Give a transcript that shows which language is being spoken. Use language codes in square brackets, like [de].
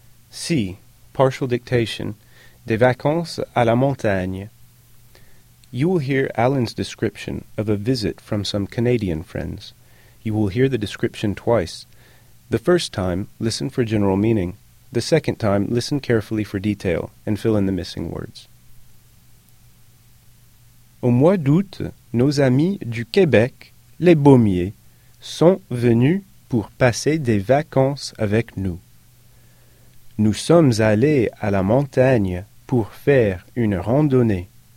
[fr] Si, [en] partial dictation, [fr] des vacances à la montagne. [en] You will hear Alan's description of a visit from some Canadian friends. You will hear the description twice. The first time, listen for general meaning. The second time, listen carefully for detail and fill in the missing words. [fr] Au mois d'août, nos amis du Québec, les Baumiers, sont venus pour passer des vacances avec nous. Nous sommes allés à la montagne pour faire une randonnée.